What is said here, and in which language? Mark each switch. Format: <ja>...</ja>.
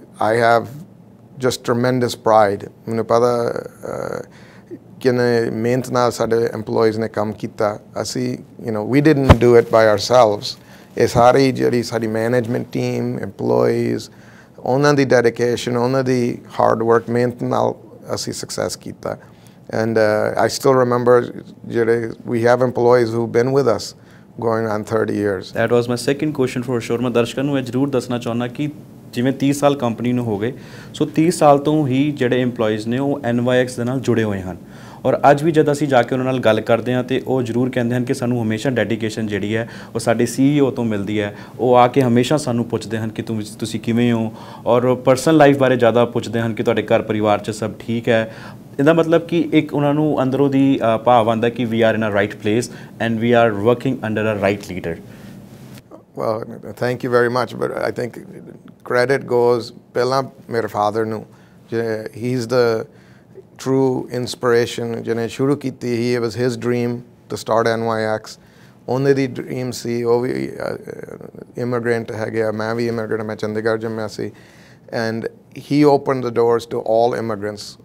<en>I have just tremendous pride.</en> <pa>Mainu pata kinne mehnat naal sade employees ne kam kita.</pa> <en>Asi, you know, we didn't do it by ourselves.</en> <pa>Eh sari jehdi sadi management team, employees, ਉਹਨਾਂ ਦੀ dedication, ਉਹਨਾਂ ਦੀ hard work, ਮਿਹਨਤ ਨਾਲ ਅਸੀਂ success ਕੀਤਾ.</pa> <en>and I still remember</en> <pa>ਜਿਹੜੇ we</pa> <en>Have employees who been with us going on 30 years. That was my second question for sure.</en> <pa>ਮੈਂ ਦਰਸ਼ਕਾਂ ਨੂੰ ਇਹ ਜ਼ਰੂਰ ਦੱਸਣਾ ਚਾਹੁੰਦਾ ਕਿ ਜਿਵੇਂ 30 ਸਾਲ ਕੰਪਨੀ ਨੂੰ ਹੋ ਗਏ, ਸੋ 30 ਸਾਲ ਤੋਂ ਹੀ ਜਿਹੜੇ ਇੰਪਲੋਈਜ਼ ਨੇ ਉਹ NYX ਦੇ ਨਾਲ ਜੁੜੇ ਹੋਏ ਹਨ, ਔਰ ਅੱਜ ਵੀ ਜਦ ਅਸੀਂ ਜਾ ਕੇ ਉਹਨਾਂ ਨਾਲ ਗੱਲ ਕਰਦੇ ਹਾਂ ਤਾਂ ਉਹ ਜ਼ਰੂਰ ਕਹਿੰਦੇ ਹਨ ਕਿ ਸਾਨੂੰ ਹਮੇਸ਼ਾ ਡੈਡੀਕੇਸ਼ਨ ਜਿਹੜੀ ਹੈ ਉਹ ਸਾਡੇ CEO ਤੋਂ ਮਿਲਦੀ ਹੈ. ਉਹ ਆ ਕੇ ਹਮੇਸ਼ਾ ਸਾਨੂੰ ਪੁੱਛਦੇ ਹਨ ਕਿ ਤੁਸੀਂ ਕਿਵੇਂ ਹੋ, ਔਰ ਪਰਸਨਲ ਲਾਈਫ ਬਾਰੇ ਜ਼ਿਆਦਾ ਪੁੱਛਦੇ ਹਨ ਕਿ ਤੁਹਾਡੇ ਘਰ ਪਰਿਵਾਰ 'ਚ ਸਭ ਠੀਕ ਹੈ. ਇਹਦਾ ਮਤਲਬ ਕਿ ਇੱਕ ਉਹਨਾਂ ਨੂੰ ਅੰਦਰੋਂ ਦੀ ਭਾਵ ਆਉਂਦਾ ਕਿ</pa> <en>We are in a right place and we are working under a right leader. Well, thank you very much, but I think credit goes</en> <pa>ਪਹਿਲਾਂ ਮੇਰੇ ਫਾਦਰ ਨੂੰ.</pa> <en>He is the true inspiration.</en> <pa>Jane shuru kiti,</pa> <en>he was his dream to start NYX. Only the dream si, oh, we immigrant hai gaya,</en> <pa>main bhi immigrant hai, main Chandigarh jamya si,</pa> <en>and he opened the doors to all immigrants.</en>